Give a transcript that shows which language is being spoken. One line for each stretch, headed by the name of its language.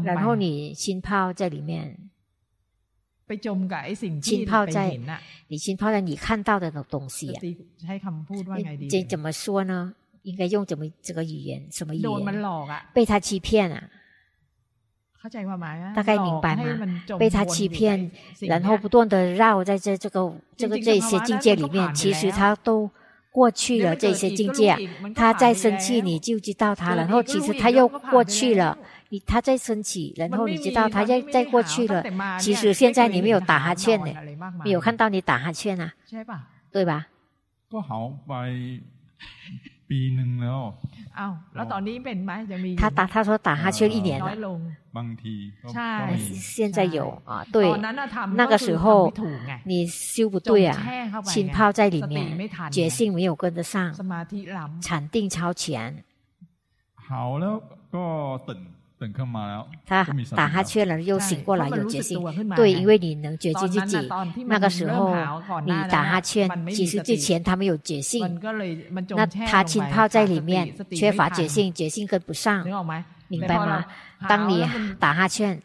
Thai: ไป
Chinese: 然后你浸泡在里面
Thai: ไปจมกับไอ้สิ่งที่
Chinese: 浸泡在你浸泡在你看到的东西啊
Thai: ใช้คำพูดว่าไงดี จะ
Chinese: 怎么说呢应该用怎么这个语言什么语言
Thai: โดนมันหลอกอ่ะ
Chinese: 被他欺骗啊
Thai: เข้าใจความหมาย มั้ย
Chinese: 大概明白吗被他欺骗然后不断的绕在这些境界里面其实他都过去了这些境界他再生气你就知道他然后其实他又过去了他再生气然后你知道他再过去了其实现在你没有打哈欠呢没有看到你打哈欠啊对吧
Thai: ก็หายไปปีนึงแล้ว อ้าวแล้วตอนนี้เป็นไหมยังมี
Chinese: 他说打哈欠一年了
Thai: บางที ใช่
Chinese: 现在有啊对
Thai: ตอนนั้นทำ
Chinese: 那个时候你修不对啊浸泡在里面决心没有跟得上禅定超前好
Thai: แล้วก็
Chinese: 等
Thai: ขึ้นมาแล้ว
Chinese: 他打哈欠了又醒过来有决心对因为你能觉知自己那个时候你打哈欠其实之前他没有决心那他浸泡在里面缺乏决心决心跟不上明白吗当你打哈欠